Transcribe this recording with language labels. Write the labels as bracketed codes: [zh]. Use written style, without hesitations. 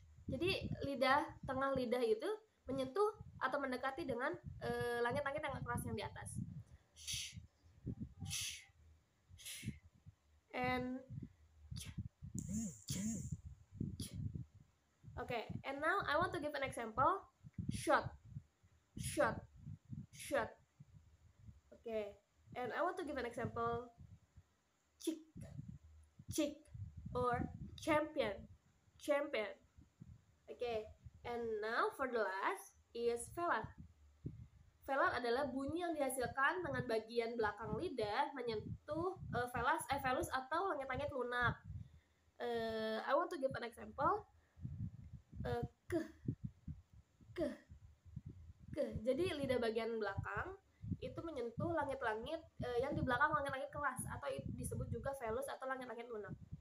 [id] Jadi lidah, tengah lidah itu menyentuh atau mendekati dengan langit-langit yang keras yang di atas. [en] And okay, and now I want to give an example. Shot, shot, shot. Okay, and I want to give an example. Chick, chick, or champion, champion. Okay, and now for the last is velar. [id] Velar adalah bunyi yang dihasilkan dengan bagian belakang lidah menyentuh velus atau langit-langit lunak. [en] I want to give an example. K, k, k. [id] Jadi lidah bagian belakang itu menyentuh langit-langit yang di belakang langit-langit keras atau disebut juga velus atau langit-langit lunak.